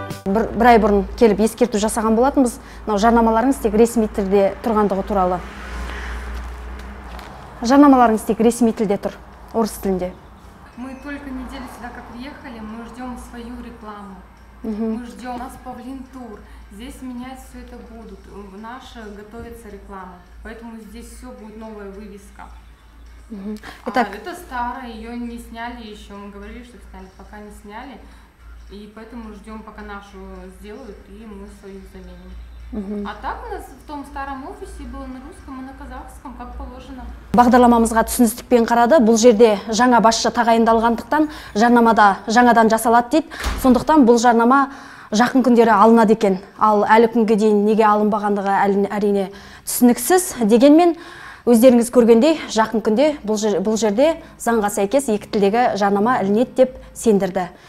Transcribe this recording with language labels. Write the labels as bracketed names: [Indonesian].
[Kazakh] Бір ай бұрын келіп ескерту жасаған болатынбыз, жарнамаларыңыз тек ресми тілде тұрғандығы туралы. Жарнамаларыңыз тек ресми тілде тұр, орыс тілінде. [Russian] Мы только неделю сюда как приехали, мы ждем свою рекламу. Мы ждем, у нас павлин тур. Здесь менять все это будут. Наша готовится реклама. Поэтому здесь все будет новая вывеска. Итак, это старая, ее не сняли еще. Мы говорили, что сняли, пока не сняли. И поэтому ждем, пока нашу сделают, и мы свою заменим. А так у нас в том старом офисе было на русском и на казахском, как положено. [Kazakh] Бағдарламамызға түсіністікпен қарады. Бұл жерде жаңа басшы тағайындалғандықтан жарнамада жаңадан жасалады дейді. Сондықтан бұл жарнама жақын күндері алынады екен. Ал әлі күнге дейін неге алынбағандығы әрине түсініксіз. Дегенмен өздеріңіз көргендей, жақын күнде бұл жерде заңға сәйкес екі тілдегі жарнама ілінеді деп сендірді.